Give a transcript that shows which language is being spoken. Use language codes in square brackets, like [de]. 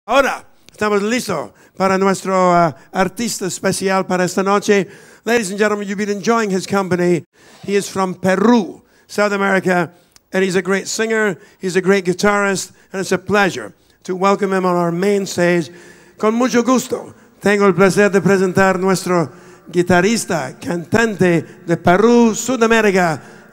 [es] Ahora estamos listos para nuestro artista especial para esta noche. [en] Ladies and gentlemen, you've been enjoying his company. He is from Peru, South America, and he's a great singer, he's a great guitarist, and it's a pleasure to welcome him on our main stage. [es] Con mucho gusto, tengo el placer de presentar nuestro guitarrista, cantante de Peru, Sudamérica.